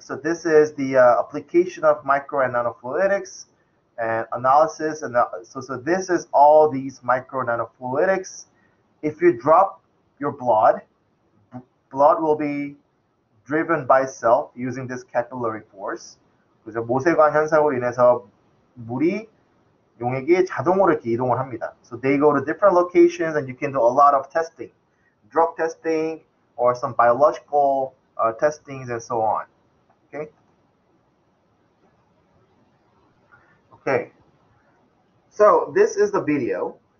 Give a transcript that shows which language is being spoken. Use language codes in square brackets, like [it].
[en] So this is the application of micro and nanofluidics and analysis. And so this is all these micro nanofluidics. If you drop your blood, blood will be driven by cell using this capillary force. [ko] 그죠? 모세관 현상으로 인해서 물이 용액이 자동으로 이렇게 이동을 합니다. [en] So they go to different locations and you can do a lot of testing, drug testing or some biological testings and so on. Okay. Okay. So this is the video.